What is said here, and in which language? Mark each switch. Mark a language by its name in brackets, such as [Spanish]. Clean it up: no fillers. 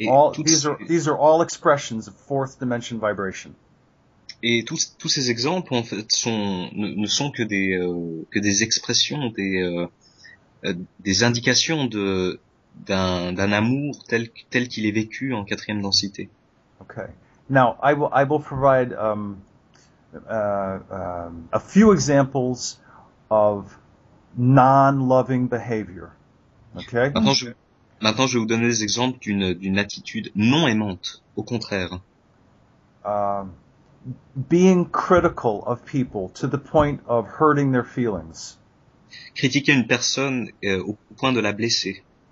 [English] These are all expressions of fourth dimension vibration. [French] Et tous ces exemples en fait ne sont que des expressions, des indications d'un amour tel qu'il est vécu en quatrième densité. [English] Okay. Now I will provide a few examples of non-loving behavior. Okay. [French] Maintenant, je vais vous donner des exemples d'une attitude non aimante, au contraire. [English] Being critical of people to the point of hurting their feelings. [French] Critiquer une personne au point de la blesser.